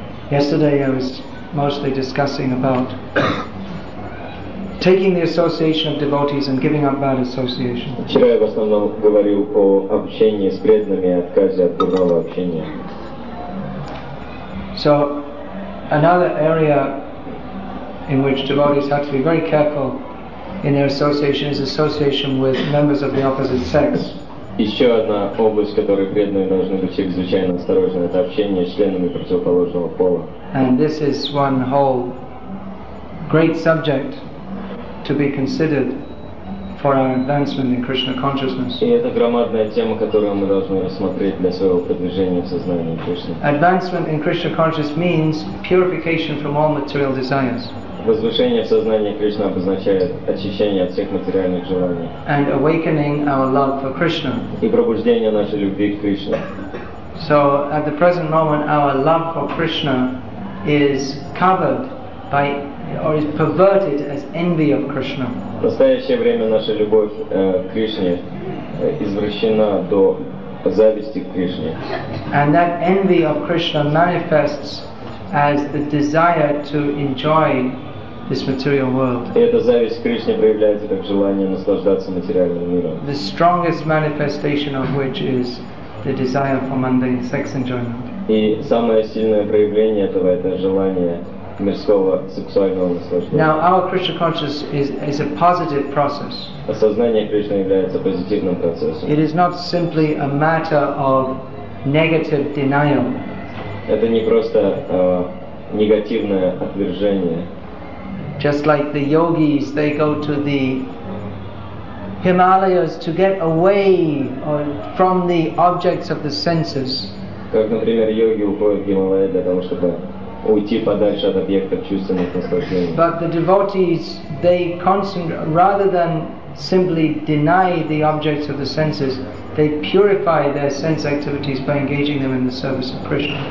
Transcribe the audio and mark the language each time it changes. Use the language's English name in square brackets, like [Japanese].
[English] Yesterday I was mostly discussing about taking the association of devotees and giving up bad association. [Russian] Вчера я в основном говорил о общении с преданными и отказе от дурного общения. [English] So another area in which devotees have to be very careful in their association is association with members of the opposite sex. [Russian] Еще одна область, в которой преданные должны быть чрезвычайно осторожны, это общение с членами противоположного пола. [English] And this is one whole great subject to be considered for our advancement in Krishna consciousness. [Russian] И это громадная тема, которую мы должны рассмотреть для своего продвижения в сознании Кришны. [English] Advancement in Krishna consciousness means purification from all material desires. [Russian] Возвышение в сознании Кришны обозначает очищение от всех материальных желаний. [English] And awakening our love for Krishna. [Russian] И пробуждение нашей любви к Кришне. [English] So at the present moment our love for Krishna is covered by or is perverted as envy of Krishna. [Russian] В настоящее время наша любовь к Кришне извращена до зависти к Кришне. [English] And that envy of Krishna manifests as the desire to enjoy this material world. [Russian] И эта зависть к Кришне проявляется как желание наслаждаться материальным миром. [English] The strongest manifestation of which is the desire for mundane sex enjoyment. [Russian] И самое сильное проявление этого это желание мирского сексуального наслаждения. [English] Now our Krishna consciousness is a positive process. [Russian] Осознание Кришны является позитивным процессом. [English] It is not simply a matter of negative denial. [Russian] Это не просто негативное отвержение. [English] Just like the yogis, they go to the Himalayas to get away from the objects of the senses. [Russian] Как, например, йоги уходят в Гималаи для того, чтобы уйти подальше от объектов чувственных наслаждений. [English] But the devotees, they concentrate rather than simply deny the objects of the senses. They purify their sense activities by engaging them in the service of Krishna.